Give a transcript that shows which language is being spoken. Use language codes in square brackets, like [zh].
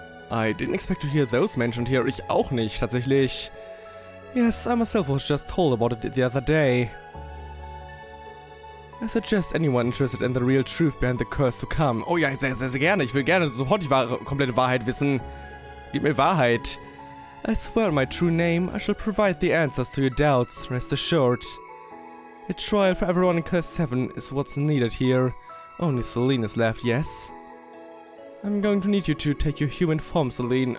[en] I didn't expect to hear those mentioned here, [de] ich auch nicht, tatsächlich. [en] Yes, I myself was just told about it the other day. I suggest anyone interested in the real truth behind the curse to come. [de] Oh ja, sehr, sehr, sehr gerne. Ich will gerne sofort die wahre, komplette Wahrheit wissen. Gib mir Wahrheit. [en] I swear my true name, I shall provide the answers to your doubts, rest assured. A trial for everyone in Class 7 is what's needed here. Only Selene is left, yes? I'm going to need you to take your human form, Selene.